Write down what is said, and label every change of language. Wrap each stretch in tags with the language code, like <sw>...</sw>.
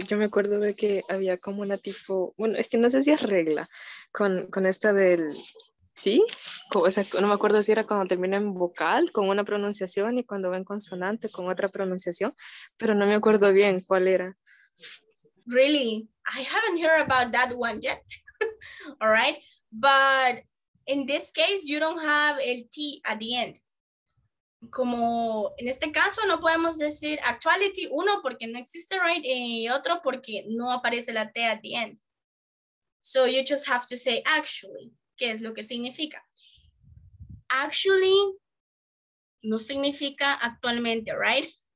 <es>Yo me acuerdo de que había como una tipo, bueno, es que no sé si es regla con esta del... Sí, o sea, no me acuerdo si era cuando termina en vocal con una pronunciación y cuando va en consonante con otra pronunciación, pero no me acuerdo bien cuál era.</es> <en>Really? I haven't heard about that one yet. All right, but in this case you don't have el T at the end.</en> <es>Como en este caso no podemos decir actuality uno porque no existe,</es> <en>right?</en> <es>Y otro porque no aparece la T</es> <en>at the end. So you just have to say actually.</en> <es>¿Qué es lo que significa? Actually, no significa actualmente,</es> <en>right?</en>